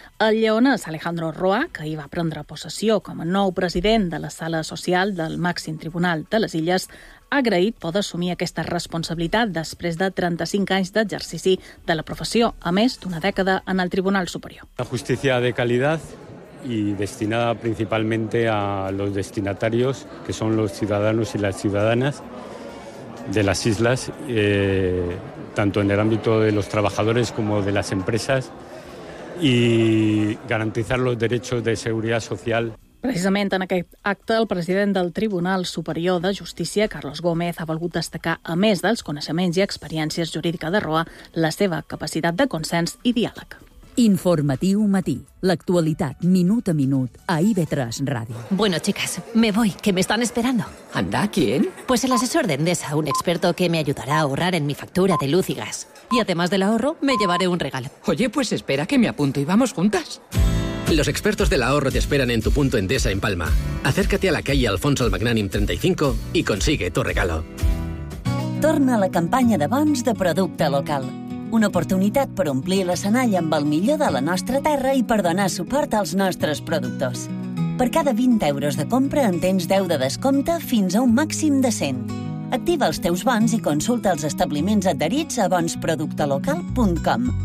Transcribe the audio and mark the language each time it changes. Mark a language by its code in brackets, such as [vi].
[ca] El lleonès Alejandro Roa, que hi va prendre possessió com a nou president de la Sala Social del Màxim Tribunal de les Illes, ha agraït poder assumir aquesta responsabilitat després de 35 anys d'exercici de la professió, a més d'una dècada en el Tribunal Superior. La justícia de qualitat [es] y destinada principalmente a los destinatarios, que son los ciudadanos y las ciudadanas de las islas, tanto en el ámbito de los trabajadores como de las empresas, y garantizar los derechos de seguridad social. [ca] Precisament en aquest acte, el president del Tribunal Superior de Justícia, Carlos Gómez, ha volgut destacar, a més dels coneixements i experiències jurídiques de Roa, la seva capacitat de consens i diàleg. Informatiu Matí. L'actualitat, minut a minut, a IB3 Ràdio. [es] Bueno, chicas, me voy, que me están esperando. ¿Anda, quién? Pues el asesor de Endesa, un experto que me ayudará a ahorrar en mi factura de luz y gas. Y además del ahorro, me llevaré un regalo. Oye, pues espera, que me apunto y vamos juntas. Los expertos del ahorro te esperan en tu punto Endesa en Palma. Acércate a la calle Alfonso el Magnánim 35 y consigue tu regalo. [ca] Torna la campanya de bons de producte local. Una oportunitat per omplir l'escenari amb el millor de la nostra terra i per donar suport als nostres productors. Per cada 20 euros de compra en tens 10 de descompte fins a un màxim de 100. Activa els teus bons i consulta els establiments adherits a bonsproductelocal.com.